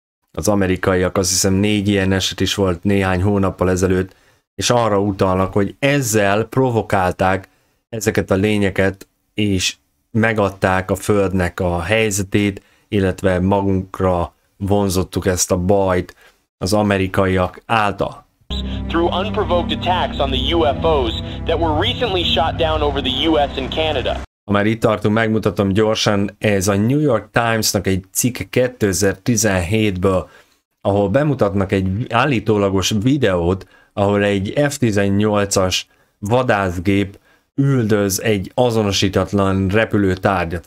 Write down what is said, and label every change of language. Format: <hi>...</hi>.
<hu>az amerikaiak, azt hiszem 4 ilyen eset is volt néhány hónappal ezelőtt, és arra utalnak, hogy ezzel provokálták ezeket a lényeket, és megadták a Földnek a helyzetét, illetve magunkra vonzottuk ezt a bajt az amerikaiak által.</hu> <en>Through unprovoked attacks on the UFOs that were recently shot down over the US and Canada.</en> <hu>Ha már itt tartunk, megmutatom gyorsan, ez a New York Times-nak egy cikke 2017-ből, ahol bemutatnak egy állítólagos videót, ahol egy F-18-as vadászgép üldöz egy azonosítatlan repülőtárgyat.</hu>